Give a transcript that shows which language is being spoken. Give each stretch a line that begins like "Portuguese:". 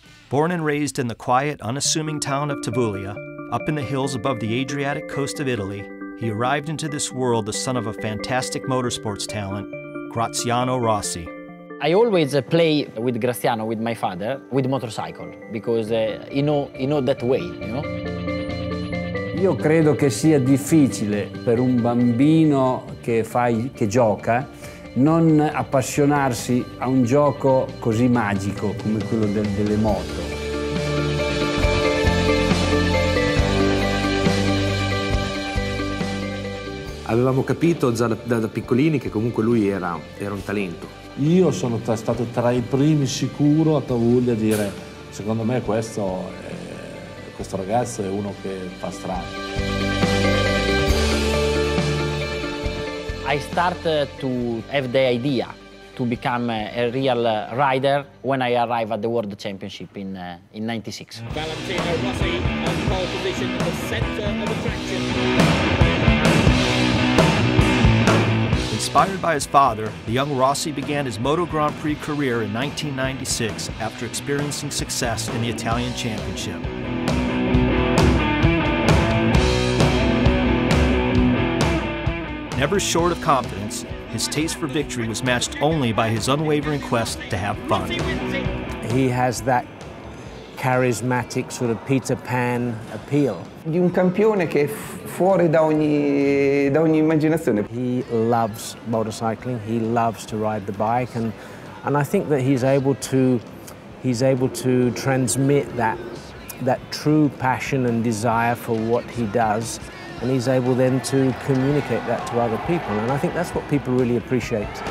English: Born and raised in the quiet, unassuming town of Tavuglia, up in the hills above the Adriatic coast of Italy, he arrived into this world the son of a fantastic motorsports talent, Graziano Rossi. I always play with Graziano, with my father, with motorcycle, because you know that way, you know?
Italian: Io credo che sia difficile per un bambino che gioca non appassionarsi a un gioco così magico come quello delle moto. Avevamo capito già da piccolini che comunque lui era un talento. Io sono stato tra i primi sicuro a Tavuglia a dire secondo me questo ragazzo è uno che fa strada.
English: I start to have the idea to become a real rider when I arrive at the World Championship in 96. Valentino Rossi on pole position, the center of attraction. Inspired by his father, the young Rossi began his Moto Grand Prix career in 1996 after experiencing success in the Italian Championship. Never short of confidence, his taste for victory was matched only by his unwavering quest to have fun. He has that charismatic sort of Peter Pan appeal.
Italian: Di un campione che è fuori da ogni immaginazione.
English: He loves motorcycling, he loves to ride the bike, and I think that he's able to transmit that true passion and desire for what he does. And he's able then to communicate that to other people. And I think that's what people really appreciate.